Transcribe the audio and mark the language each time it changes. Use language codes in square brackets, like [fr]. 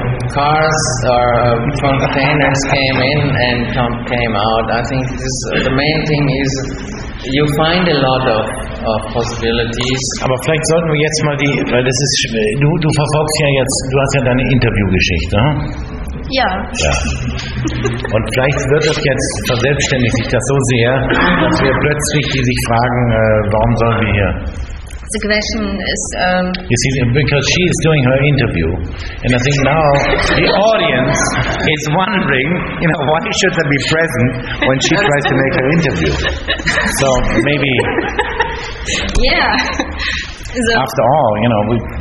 [en] Cars or containers came in and came out. I think this, the main thing is you find a lot of possibilities. [de] Aber vielleicht sollten wir jetzt mal die, weil das ist, du verfolgst ja jetzt, du hast ja deine Interviewgeschichte, hm? Ja. Ja. Und vielleicht wird es jetzt verselbstständigt sich das so sehr, dass wir plötzlich die sich fragen, warum sollen wir hier? [en] The question is. You see, because she is doing her interview, and I think now the audience is wondering, you know, why should they be present when she tries to make her interview? So maybe. Yeah. So after all, you know, we.